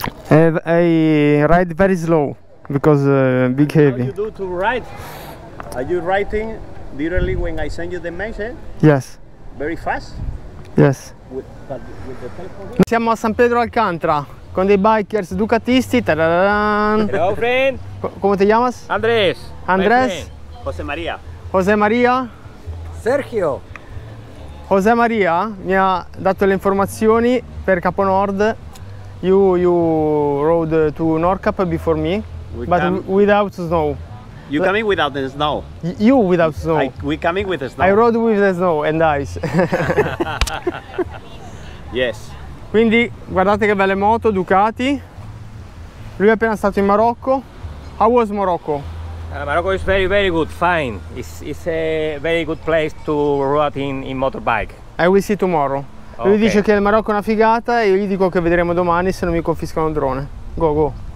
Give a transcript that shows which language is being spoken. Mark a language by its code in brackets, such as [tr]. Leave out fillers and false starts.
[en] I ride very slow because big heavy. How do you do to ride? Are you writing literally when I send you the message? Yes. Very fast? Yes. With the telephone? [it] Siamo a San Pedro Alcantara con dei bikers ducatisti. [en] Tararán. Hello friend. [it] Come ti chiamas? Andrés. Andrés. José María. José María. Sergio. José María mi ha dato le informazioni per Capo Nord. [en] You rode to Norcap before me, without snow. You coming without the snow? You without snow. We coming with the snow. I rode with the snow and ice. Yes. [it] Quindi guardate che belle moto, Ducati. Lui è appena stato in Marocco. [en] How was Morocco? Morocco is very very good, fine. It's a very good place to ride in motorbike. I will see tomorrow. Okay. [it] Lui dice che il Marocco è una figata e io gli dico che vedremo domani se non mi confiscano il drone. [en] Go go.